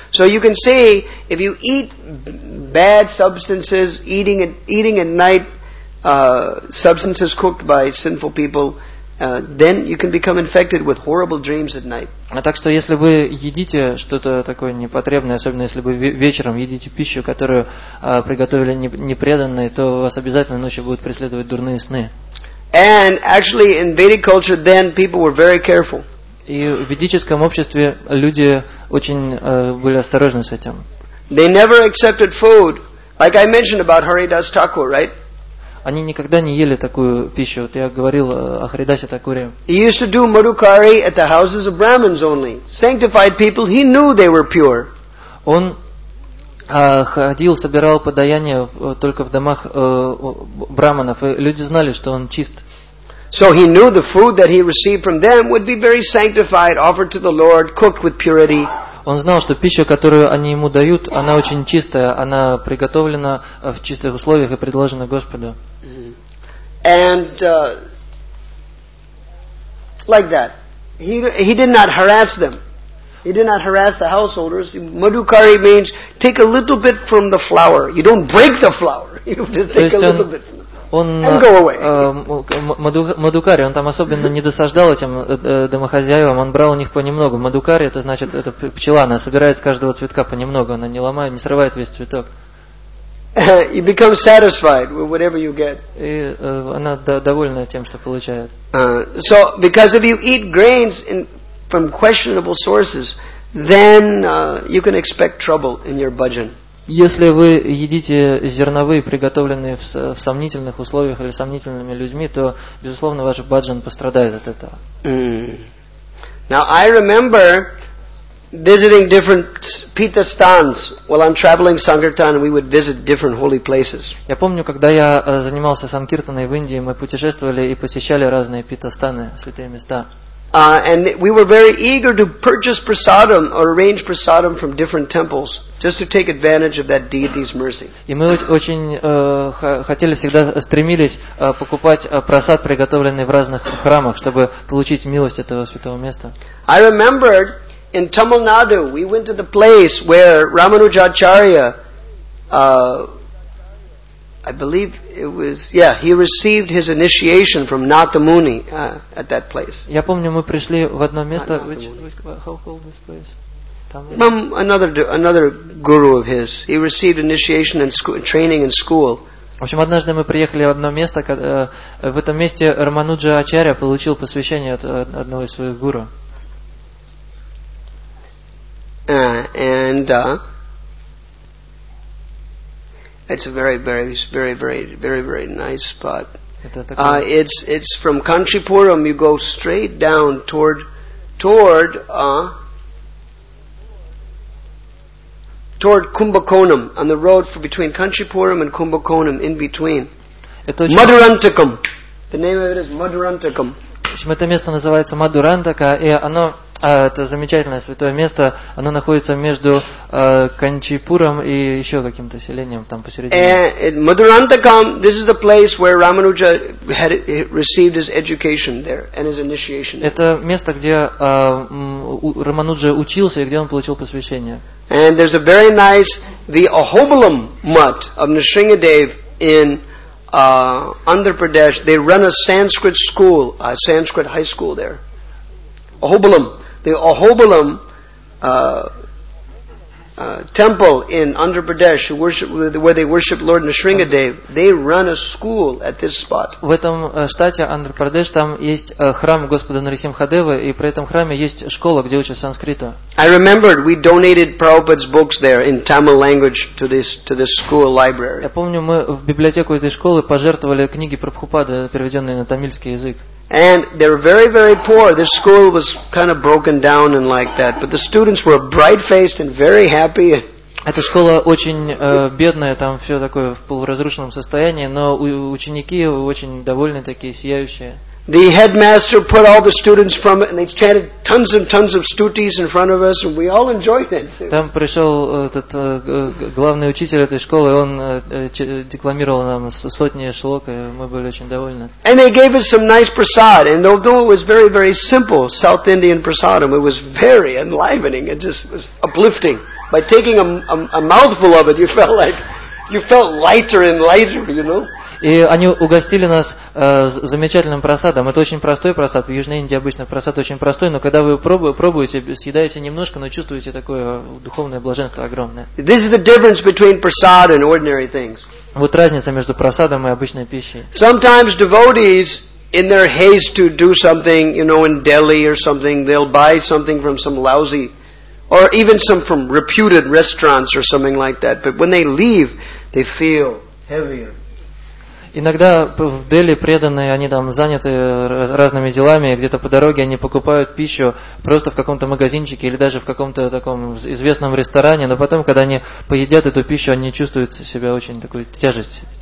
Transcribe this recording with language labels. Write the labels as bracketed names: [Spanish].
[English] So you can see, if you eat bad substances, eating at night substances cooked by sinful people, then you can become infected with horrible dreams at night. [Russian] А так что если вы едите что-то такое непотребное, особенно если вы вечером едите пищу, которую приготовили непреданные, то вас обязательно ночью будут преследовать дурные сны. [English] And actually, in Vedic culture, then people were very careful. [Russian] И в ведическом обществе люди очень были осторожны с этим. [English] They never accepted food, like I mentioned about Haridas Thakur, right? [Russian] Они никогда не ели такую пищу. Вот я говорил о Харидасе Такуре. [English] He used to do madhukari at the houses of Brahmins only. Sanctified people, he knew they were pure. [Russian] Он ходил, собирал подаяние только в домах браманов, и люди знали, что он чист. [English] So he knew the food that he received from them would be very sanctified, offered to the Lord, cooked with purity. [Russian] Он знал, что пища, которую они ему дают, она очень чистая, она приготовлена в чистых условиях и предложена Господу. [English] And like that. He did not harass them. He did not harass the householders. Madhukari means take a little bit from the flour. You don't break the flour. You just take a little bit. [Russian] Мадукари, он там особенно не досаждал этим домохозяевам, он брал у них понемногу. Мадукари, это значит, это пчела, она собирает с каждого цветка понемногу, она не ломает, не срывает весь цветок. [English] You become satisfied with whatever you get. [Russian] И она довольна тем, что получает. [English] So, because if you eat grains from questionable sources, then you can expect trouble in your bhajan. [Russian] Если вы едите зерновые, приготовленные в сомнительных условиях или сомнительными людьми, то, безусловно, ваш баджан пострадает от этого. [English] Now, I remember visiting different pithasthans. While I'm traveling Sankirtan, we would visit different holy places. [Russian] Я помню, когда я занимался Санкиртаной в Индии, мы путешествовали и посещали разные питастаны, святые места. [English] And we were very eager to purchase prasadam or arrange prasadam from different temples just to take advantage of that deity's mercy. [Russian] И мы очень хотели, всегда стремились покупать прасад, приготовленный в разных храмах, чтобы получить милость этого святого места. [English] I remembered in Tamil Nadu, we went to the place where Ramanujacharya, I believe it was, yeah, he received his initiation from Natha Muni at that place. [Russian] Я помню, мы пришли в одно место. [English] How old is this place? Another guru of his. He received initiation and training in school. [Russian] В общем, однажды мы приехали в одно место, в этом месте Рамануджа Ачарья получил посвящение от одного из своих гуру. [English] It's a very, very, very, very, very, very nice spot. It's from Kanchipuram. You go straight down toward Kumbakonam, on the road between Kanchipuram and Kumbakonam, in between. Madurantakam. The name of it is Madurantakam. [Russian] В общем, это место называется Мадурантака, и оно, это замечательное святое место, оно находится между Канчипуром и еще каким-то селением там посередине. [English] Мадурантакам, this is the place where Рамануджа had received his education there and his initiation. [Russian] Это место, где Рамануджа учился и где он получил посвящение. [English] And there's a very nice, the Ahobalam mutt of Nrisingadev in Andhra Pradesh, they run a Sanskrit school, a Sanskrit high school there. Ahobalam. The Ahobalam temple in Andhra Pradesh where they worship Lord Nrisimhadev, they run a school at this spot. [Russian] В этом штате Андхра Прадеш там есть храм Господа Нарисимхадева, и при этом храме есть школа, где учат санскрит. [English] I remembered we donated Prabhupada's books there in Tamil language to this school library. [Russian] Я помню, мы в библиотеку этой школы пожертвовали книги Прабхупады, переведенные на тамильский язык. [English] And they were very, very poor. This school was kind of broken down and like that. But the students were bright-faced and very happy. [Russian] Эта школа очень бедная, там все такое в полуразрушенном состоянии, но ученики очень довольны, такие сияющие. [English] The headmaster put all the students from it, and they chanted tons and tons of stutis in front of us, and we all enjoyed it. [Russian] Там пришел этот главный учитель этой школы, он декламировал нам сотни шлок, и мы были очень довольны. [English] And they gave us some nice prasad, and although it was very, very simple South Indian prasad, it was very enlivening. It just was uplifting. By taking a mouthful of it, you felt lighter and lighter, you know. [Russian] И они угостили нас замечательным просадом. Это очень простой просад. В Южной Индии обычно просад очень простой, но когда вы пробуете, съедаете немножко, но чувствуете такое духовное блаженство огромное. [English] This is the difference between prasad and ordinary things. [Russian] Вот разница между просадом и обычной пищей. [English] Sometimes devotees, in their haste to do something, you know, in Delhi or something, they'll buy something from some lousy, or even some from reputed restaurants or something like that. But when they leave, they feel heavier. [Russian] Иногда в Дели преданные, они там заняты разными делами, где-то по дороге они покупают пищу просто в каком-то магазинчике или даже в каком-то таком известном ресторане, но потом, когда они поедят эту пищу, они чувствуют себя очень такую тяжесть.